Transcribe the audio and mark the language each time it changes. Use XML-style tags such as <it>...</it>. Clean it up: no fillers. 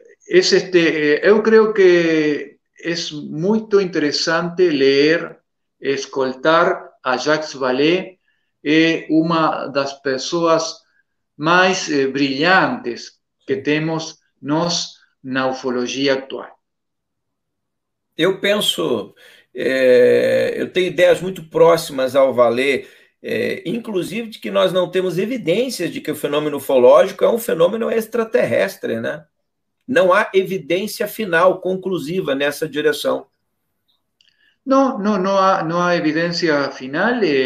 <es>Yo creo que es muy interesante leer, escoltar a Jacques Vallée. Es una de las personas más brillantes que tenemos nos na ufología actual.</es> <pt>Eu penso, eu tenho ideias muito próximas ao Vallée, inclusive de que nós não temos evidências de que o fenômeno ufológico é um fenômeno extraterrestre, né? Não há evidência final, conclusiva nessa direção.</pt> <es>No, no hay evidencia final.</es>